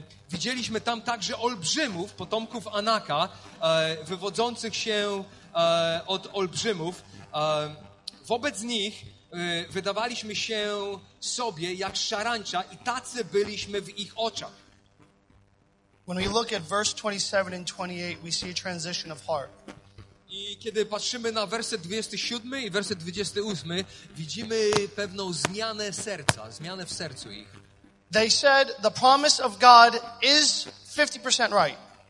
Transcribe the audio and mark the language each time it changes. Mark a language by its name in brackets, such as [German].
[Polish] Widzieliśmy tam także olbrzymów, potomków Anaka, wywodzących się od olbrzymów. Wobec nich wydawaliśmy się sobie jak szarańcza i tacy byliśmy w ich oczach. [English] When we look at verse 27 and 28, we see a transition of heart. [Polish] I kiedy patrzymy na werset 27 i werset 28, widzimy pewną zmianę serca, zmianę w sercu ich. [English] They said the promise of God is 50% right.